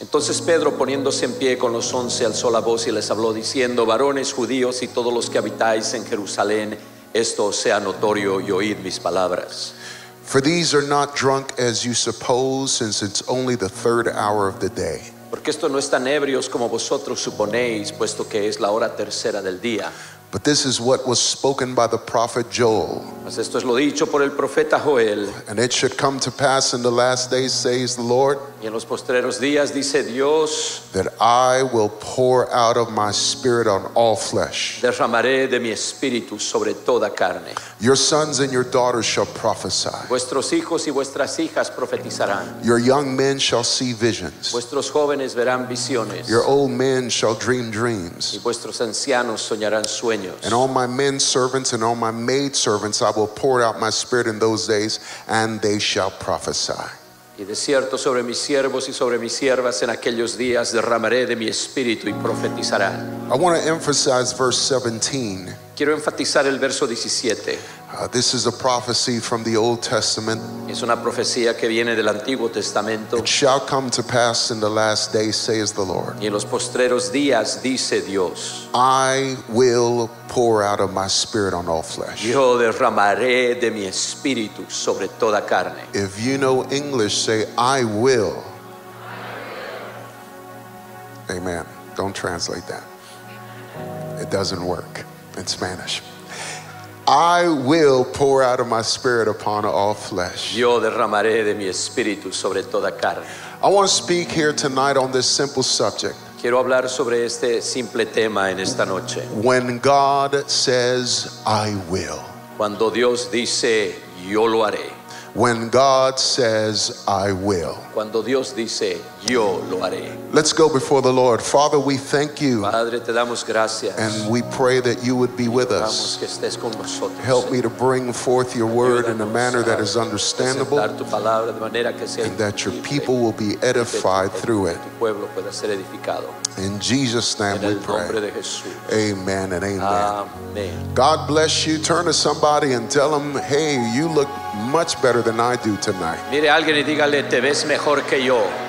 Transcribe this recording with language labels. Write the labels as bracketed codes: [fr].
[es] Entonces Pedro, poniéndose en pie con los 11, alzó la voz y les habló diciendo, Varones judíos y todos los que habitáis en Jerusalén, esto sea notorio y oíd mis palabras. [en] For these are not drunk as you suppose, since it's only the third hour of the day. [es] Porque estos no están ebrios como vosotros suponéis, puesto que es la hora tercera del día. [en] But this is what was spoken by the prophet Joel. [es] Mas esto es lo dicho por el profeta Joel. [en] And it should come to pass in the last days, says the Lord. [es] Y en los postreros días, dice Dios. [en] That I will pour out of my spirit on all flesh. [es] Derramaré de mi espíritu sobre toda carne. [en] Your sons and your daughters shall prophesy. [es] Vuestros hijos y vuestras hijas profetizarán. [en] Your young men shall see visions. [es] Vuestros jóvenes verán visiones. [en] Your old men shall dream dreams. [es] Y vuestros ancianos soñarán sueños. [en] And all my men servants and all my maid servants, I will pour out my spirit in those days, and they shall prophesy. [es] Y de cierto sobre mis siervos y sobre mis siervas en aquellos días derramaré de mi espíritu y profetizarán. [en] I want to emphasize verse 17. [es] Quiero enfatizar el verso 17. [en] This is a prophecy from the Old Testament. [es] Es una profecía que viene del Antiguo Testamento. [en] It shall come to pass in the last days, says the Lord. [es] Y en los postreros días, dice Dios. [en] I will pour out of my spirit on all flesh. [es] Yo derramaré de mi espíritu sobre toda carne. [en] If you know English, say, I will. Amen. Don't translate that. It doesn't work in Spanish. I will pour out of my spirit upon all flesh. [es] Yo derramaré de mi espíritu sobre toda carne. [en] I want to speak here tonight on this simple subject. [es] Quiero hablar sobre este simple tema en esta noche. [en] When God says, I will. [es] Cuando Dios dice, yo lo haré. [en] When God says, I will. [es] Cuando Dios dice, yo lo haré. [en] Let's go before the Lord. Father, we thank you. [es] Padre, te damos gracias. [en] And we pray that you would be with us. [es] Que estés con nosotros. [en] Help me to bring forth your word in a manner that is understandable. [es] Presentar tu palabra de manera que sea [en] and that your people will be edified through it. [es] Tu pueblo pueda ser edificado. [en] In Jesus' name [es] en el [en] we pray. [es] Nombre de Jesús. [en] Amen and amen. Amen. God bless you. Turn to somebody and tell them, hey, you look much better than I do tonight. [es] Mire a alguien y dígale, te ves mejor que yo.